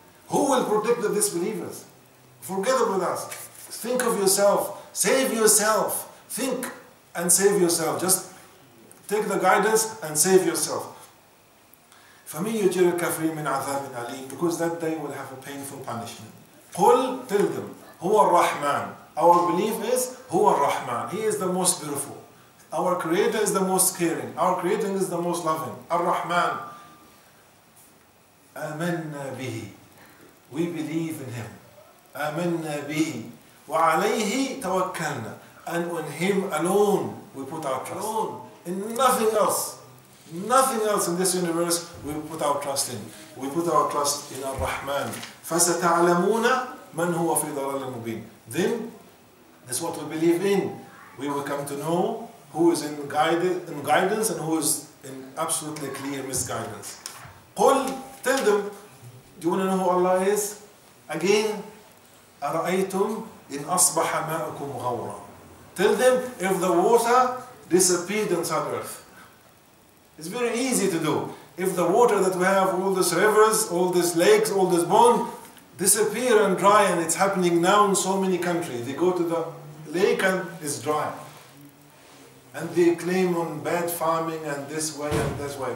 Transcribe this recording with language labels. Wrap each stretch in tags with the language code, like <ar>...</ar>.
<en>Who will protect the disbelievers? Forget about us. Think of yourself. Save yourself. Think and save yourself. Just take the guidance and save yourself.</en> <ar>فَمِنْ يُجِرَ الْكَفْرِينَ مِنْ عَذَابٍ عَلِيمٍ.</ar> <en>Because that day will have a painful punishment.</en> <ar>قُلْ</ar> <en>tell them,</en> <ar>هُوَ الرَّحْمَنُ.</ar> <en>Our belief is,</en> <ar>هُوَ الرَّحْمَنُ.</ar> <en>He is the most beautiful. Our Creator is the most caring. Our Creator is the most loving. الرَّحْمَنُ.</en> <ar>آمَنَّا بِهِ.</ar> <en>We believe in Him.</en> <ar>آمَنَّا بِهِ. وَعَلَيْهِ تَوَكَّلْنَا.</ar> <en>And on Him alone we put our trust. Alone. In nothing else. Nothing else in this universe we put our trust in. We put our trust in Ar-Rahman.</en> <ar>فَسَتَعْلَمُونَ مَنْ هُوَ فِي ضَلَالِ الْمُبِينَ.</ar> <en>Then, that's what we believe in. We will come to know who is in guidance and who is in absolutely clear misguidance. قُلْ, tell them, do you want to know who Allah is? Again,</en> <ar>أَرَأَيْتُمْ إِنْ أَصْبَحَ مَاءُكُمْ غَوْرًا.</ar> <en>Tell them, if the water disappeared inside earth. It's very easy to do. If the water that we have, all these rivers, all these lakes, all this bone, disappear and dry, and it's happening now in so many countries. They go to the lake and it's dry. And they claim on bad farming and this way and that way.</en>